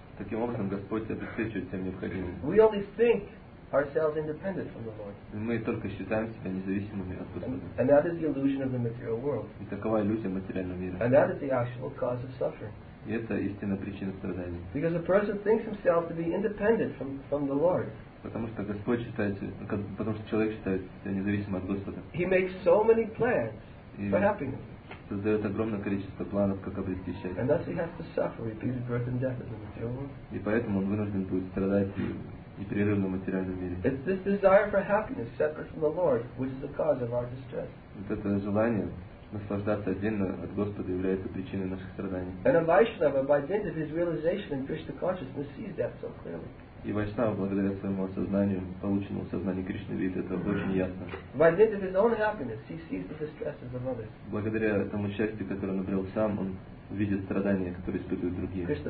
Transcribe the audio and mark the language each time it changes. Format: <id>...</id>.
<ru>Таким образом, Господь обеспечивает всем необходимым.</ru> <en>We only think ourselves independent from the Lord.</en> <ru>Мы только считаем себя независимыми от Господа.</ru> <en>And that is the illusion of the material world.</en> <ru>И такова иллюзия материального мира.</ru> <en>And that is the actual cause of suffering.</en> <ru>И это истинная причина страданий.</ru> <en>Because a person thinks himself to be independent from the Lord.</en> <ru>Потому что человек считает себя независимым от Господа.</ru> <en>He makes so many plans for happiness.</en> <ru>Создает огромное количество планов, как обрести счастье.</ru> <en>And thus he has to suffer repeated birth and death in the material world.</en> <ru>И поэтому он вынужден будет страдать непрерывно в материальном мире.</ru> <en>It's this desire for happiness separate from the Lord, which is the cause of our distress.</en> <ru>Вот это желание наслаждаться отдельно от Господа является причиной наших страданий.</ru> <en>And a Vaishnava, by dint of his realization in Krishna consciousness, sees that so clearly.</en> <ru>И Вайшнава, благодаря своему осознанию, полученному сознанию Кришны Виды, это очень ясно. Благодаря этому счастью, которое он обрел сам, он видит страдания, которые испытывают другие.</ru>